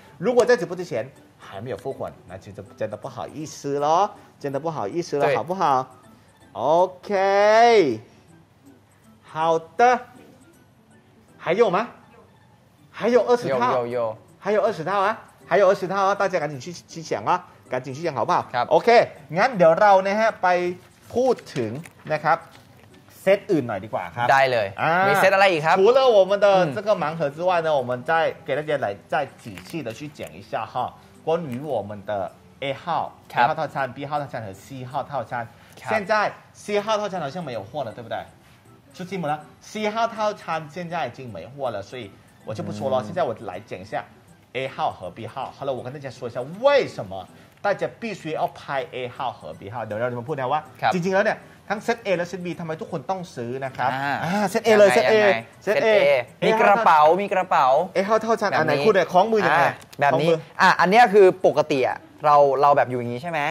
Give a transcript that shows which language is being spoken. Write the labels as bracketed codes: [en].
[zh] 如果在直播之前还没有复活，那其实真的不好意思喽，真的不好意思了，好不好 ？OK， 好的，还有吗？还有二十套，有，还有二十套啊，还有二十套啊，大家赶紧去抢啊，赶紧去抢好不好？好 [th] ，OK， 那เดี๋ยวเรานะฮะไปพูดถึงนะครับเซตอื่นหน่อยดีกว่าครับ ได้เลยมีเซตอะไรอีกครับ [zh] 除了我们的这个盲盒之外呢，我们再给大家来再仔细的去讲一下哈，关于我们的 A 号、B 号套餐、B 号套餐和 C 号套餐。现在 C 号套餐好像没有货了，对不对？出题目了 ，C 号套餐现在已经没货了，所以。我就不说了，现在我来讲一下 A 号和 B 号。好了，我跟大家说一下为什么大家必须要拍 A 号和 B 号。 [th] เดี๋ยวเราจะมาพูดนะว่าจริงๆแล้วเนี่ยทั้งเซต A และเซต B ทำไมทุกคนต้องซื้อนะครับเซต A เลยเซต A มีกระเป๋ามีกระเป๋า A号เท่าชั้นอันไหนคู่ไหนคล้องมืออย่างไร แบบนี้อันนี้คือปกติเราแบบอยู่อย่างนี้ใช่ไหม